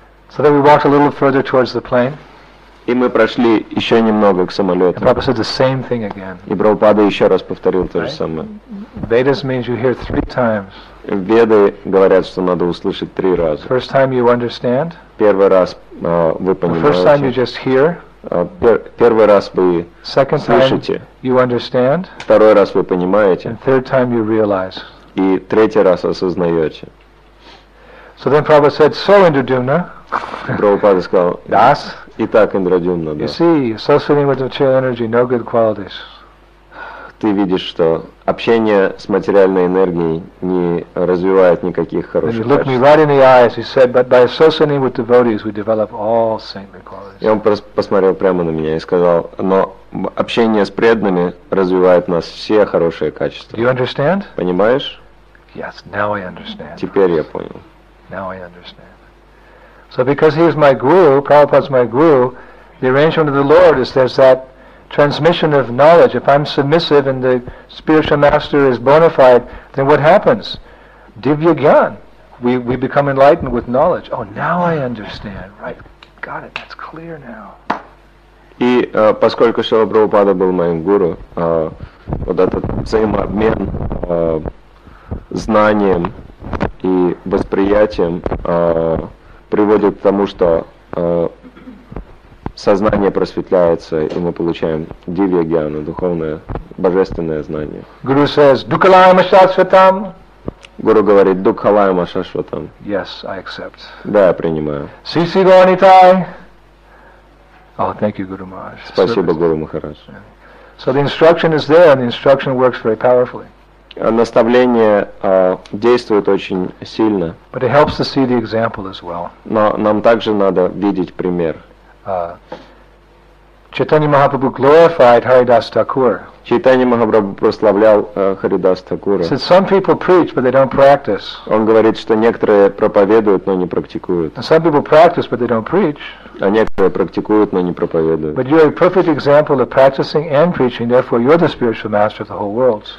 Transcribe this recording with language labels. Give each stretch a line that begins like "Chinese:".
English: So then we walked a little further towards the plane.
Russian: И мы прошли еще немного к самолету.
English: Prabhupada said the same thing again.
Russian: И Прабхупада еще раз повторил то же самое.
English: Vedas means you hear three times.
Russian: Веды говорят, что надо услышать три раза.
English: First time you understand.
Russian: Первый раз вы понимаете.
English: First time you just hear.
Russian: Первый раз вы
English: Second
Russian: слышите.
English: Time you understand.
Russian: Второй раз вы понимаете.
English: And third time you realize.
Russian: И третий раз осознаете.
English: So then Prabhupada said, "So, Indradyumna."
Russian: Прабхупада сказал:
English: Das.
Russian: Итак, Индрадюмна, да.
English: You see, associating with material energy, no good qualities.
Russian: Ты видишь, что общение с материальной энергией не развивает никаких хороших качеств.
English: And he looked me right in the eyes. He said, "But by associating with devotees, we develop all saintly qualities."
Russian: И он посмотрел прямо на меня и сказал: "Но общение с преданными развивает в нас все хорошие качества."
English: Do you understand?
Russian: Понимаешь?
English: Yes, now I understand.
Russian: Теперь я понял.
English: Now I understand. So because he's my guru, Prabhupada's my guru, the arrangement of the Lord is there's that transmission of knowledge. If I'm submissive and the spiritual master is bona fide, then what happens? Divya Gyan. We become enlightened with knowledge. Oh, now I understand. Right. Got it. That's clear now.
Russian: И поскольку Шрила Прабхупада был моим гуру, вот этот взаимообмен знанием и восприятием приводит к тому, что сознание просветляется, и мы получаем дивья гьяна, духовное, божественное знание.
English: Guru says,
Sanskrit: Dukhalayama Shashvatam.
Russian: Guru говорит,
Sanskrit: Dukhalayama Shashvatam.
English: Yes, I accept.
Russian: Да, я принимаю.
English: Sisi Gornitai. Oh, thank you, Guru Maharaj.
Russian: Спасибо, Guru Maharaj.
English: So the instruction is there, and the instruction works very powerfully.
Russian: Наставление действует очень сильно.
English: But it helps to see the example as well.
Russian: Но нам также надо видеть пример.
English: Chaitanya Mahaprabhu glorified Haridas Thakur.
Russian: Chaitanya Mahaprabhu прославлял Haridas Thakura.
English: Said some people preach, but they don't practice.
Russian: Он говорит, что некоторые проповедуют, но не практикуют.
English: And some people practice, but they don't preach.
Russian: А некоторые практикуют, но не проповедуют.
English: But you're a perfect example of practicing and preaching. Therefore, you're the spiritual master of the whole world.